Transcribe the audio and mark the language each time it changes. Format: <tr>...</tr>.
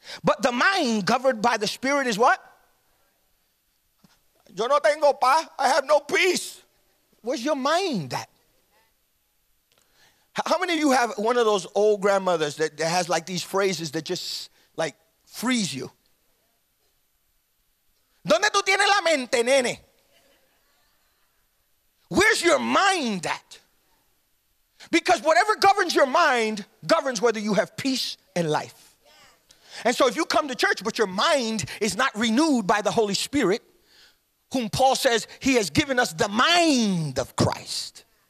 <en>But the mind governed by the Spirit is what?</en> <es>Yo no tengo paz.</es> <en>I have no peace. Where's your mind at? How many of you have one of those old grandmothers that has like these phrases that just like freeze you?</en> <es>¿Dónde tú tienes la mente, nene?</es> <en>Where's your mind at? Because whatever governs your mind governs whether you have peace and life. And so if you come to church, but your mind is not renewed by the Holy Spirit, whom Paul says he has given us the mind of Christ.</en>